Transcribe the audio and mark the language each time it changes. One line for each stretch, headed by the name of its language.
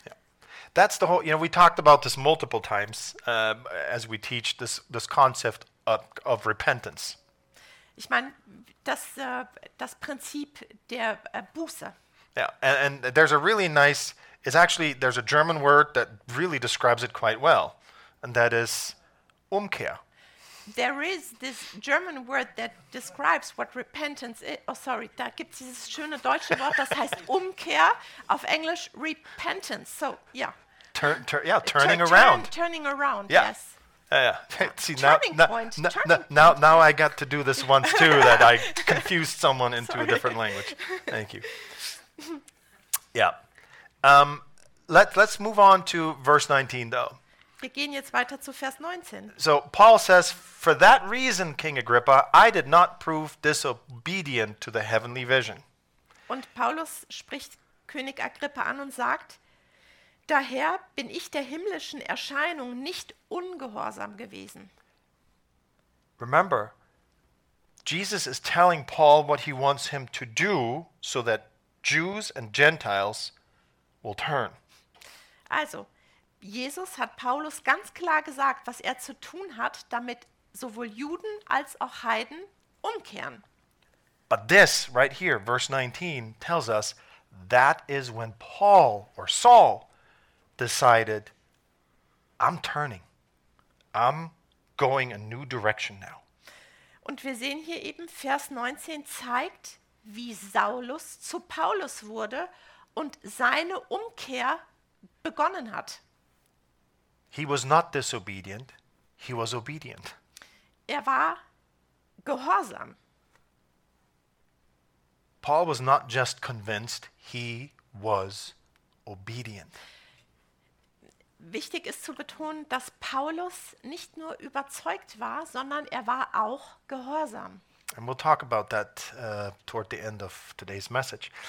English: Yeah. That's the whole, you know, we talked about this multiple times as we teach this concept of repentance.
German: Ich meine, das Prinzip der Buße.
English: Yeah, and there's a really nice, it's actually, there's a German word that really describes it quite well, and that is Umkehr. There is this German word that describes what repentance is.
German: Oh, sorry, da gibt es dieses schöne deutsche Wort, das heißt Umkehr, auf Englisch repentance.
English: So, yeah. Turning around. Turning around, yeah. Yes. Yeah. See, turning point. Now I got to do this once too, that I confused someone into a different language. Thank you. Yeah. Let's move on to verse 19, though.
German: Wir gehen jetzt weiter zu Vers 19.
English: So Paul says, for that reason, King Agrippa, I did not prove disobedient to the heavenly vision.
German: Und Paulus spricht König Agrippa an und sagt: Daher bin ich der himmlischen Erscheinung nicht ungehorsam gewesen.
English: Remember, Jesus is telling Paul what he wants him to do so that Jews and Gentiles will turn.
German: Also, Jesus hat Paulus ganz klar gesagt, was er zu tun hat, damit sowohl Juden als auch Heiden umkehren.
English: But this right here, verse 19, tells us that is when Paul or Saul decided, I'm turning. I'm going a new direction now.
German: Und wir sehen hier eben, Vers 19 zeigt, wie Saulus zu Paulus wurde und seine Umkehr begonnen hat.
English: He was not disobedient, he was obedient.
German: Er war gehorsam.
English: Paul was not just convinced, he was obedient.
German: Wichtig ist zu betonen, dass Paulus nicht nur überzeugt war, sondern er war auch gehorsam.
English: And we'll talk about that toward the end of today's message.